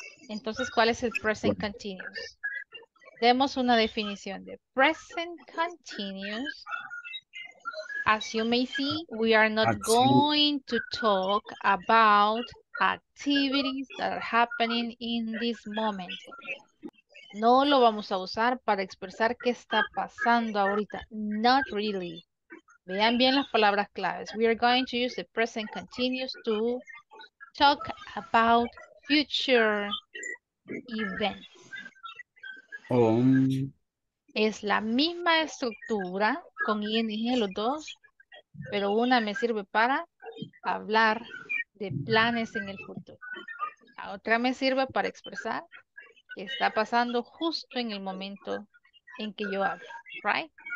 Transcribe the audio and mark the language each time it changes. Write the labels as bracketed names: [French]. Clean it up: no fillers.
[Spanish] Entonces, ¿cuál es el present continuous? Demos una definición de present continuous. [English] As you may see, we are not going to talk about activities that are happening in this moment. [Spanish] No lo vamos a usar para expresar qué está pasando ahorita. [English] Not really. [Spanish] Vean bien las palabras claves. [English] We are going to use the present continuous to talk about future events. [Spanish] Es la misma estructura con ING los dos, pero una me sirve para hablar de planes en el futuro. La otra me sirve para expresar qué está pasando justo en el momento en que yo hablo, right?